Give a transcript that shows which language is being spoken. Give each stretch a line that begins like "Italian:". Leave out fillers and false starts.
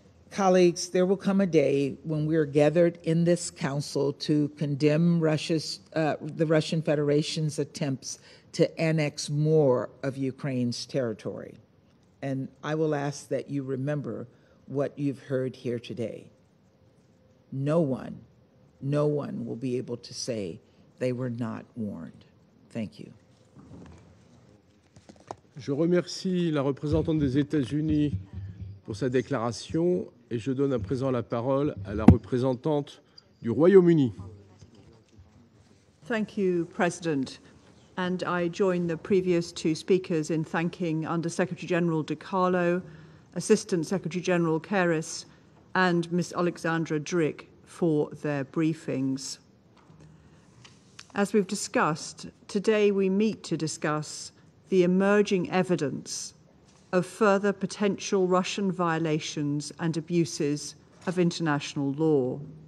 English: Colleagues, there will come a day when we are gathered in this council to condemn the Russian Federation's attempts to annex more of Ukraine's territory. And I will ask that you remember what you've heard here today. No one will be able to say they were not warned. Thank you.
French: Je remercie la représentante des États-Unis pour sa déclaration et je donne à présent la parole à la représentante du Royaume-Uni.
English: Thank you, President. And I join the previous two speakers in thanking Under Secretary General De Carlo, Assistant Secretary General Keris, and Ms. Alexandra Drick for their briefings. As we've discussed, today we meet to discuss the emerging evidence of further potential Russian violations and abuses of international law.